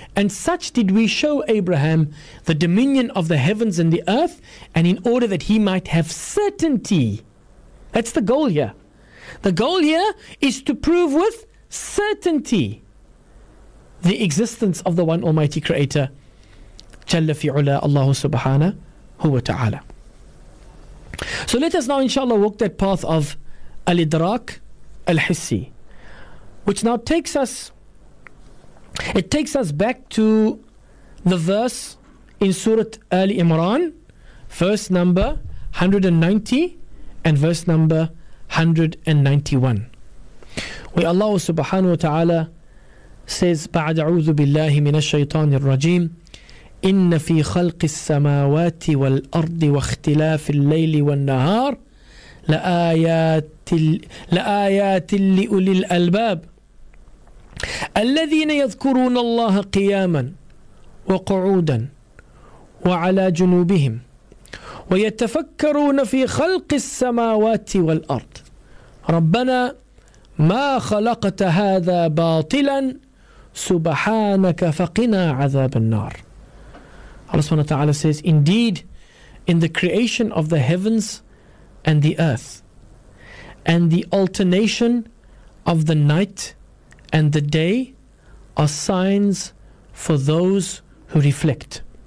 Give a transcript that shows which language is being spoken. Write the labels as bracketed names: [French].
[English] And such did we show Abraham the dominion of the heavens and the earth, and in order that he might have certainty. That's the goal here. The goal here is to prove with certainty the existence of the One Almighty Creator, [Arabic] جَلَّ فِي عُلَىٰ اللَّهُ سُبْحَانَهُ وَتَعَالَى. [English] So let us now, inshallah, walk that path of al-idraq al-hissi, which now takes us back to the verse in Surah Ali Imran, verse number 190 and verse number 191, where Allah subhanahu wa ta'ala says, [Arabic] بعد أعوذ بالله من الشيطان الرجيم إن في خلق السماوات والأرض واختلاف الليل والنهار لآيات لأولي الألباب الذين يذكرون الله قياما وقعودا وعلى جنوبهم ويتفكرون في خلق السماوات والأرض ربنا ما خلقت هذا باطلا سبحانك فقنا عذاب النار. [English] Allah subhanahu wa ta'ala says, indeed, in the creation of the heavens and the earth, and the alternation of the night and the day are signs for those who reflect.